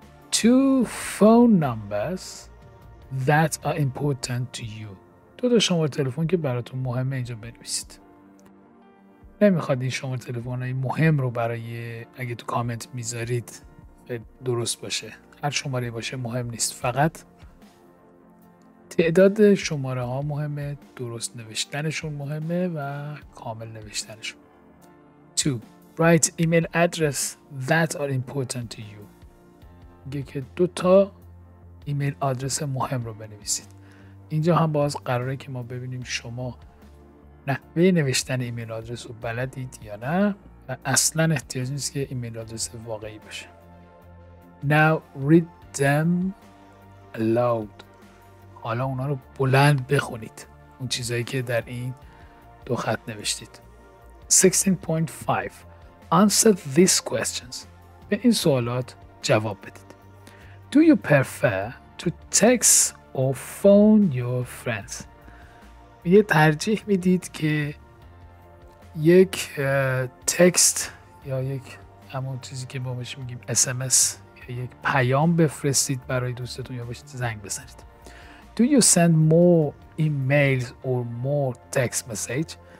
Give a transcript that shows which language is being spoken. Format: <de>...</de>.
<en>Two phone numbers that are important to you.</en> <fa>دو تا شماره تلفن که براتون مهمه اینجا بنویسید. نمیخواد این شماره تلفن های مهم رو برای اگه تو کامنت میذارید درست باشه. هر شماره باشه مهم نیست. فقط تعداد شماره ها مهمه. درست نوشتنشون مهمه و کامل نوشتنشون.</fa> <en>Two. Write email address that are important to you.</en> <fa>میگه که دو تا ایمیل آدرس مهم رو بنویسید. اینجا هم باز قراره که ما ببینیم شما نحوه نوشتن ایمیل آدرس رو بلدید یا نه و اصلا احتیاج نیست که ایمیل آدرس واقعی باشه.</fa> <en>Now read them aloud.</en> <fa>حالا اونا رو بلند بخونید. اون چیزایی که در این دو خط نوشتید.</fa> <en>16.5 Answer these questions.</en> <fa>به این سوالات جواب بدید.</fa> <en>Do you prefer to text or phone your friends?</en> <fa>یه ترجیح میدید که یک تکست یا یک همون چیزی که ما بهش میگیم SMS یا یک پیام بفرستید برای دوستتون یا بهش زنگ بزنید.</fa> <en>Do you send more emails or more text message?</en>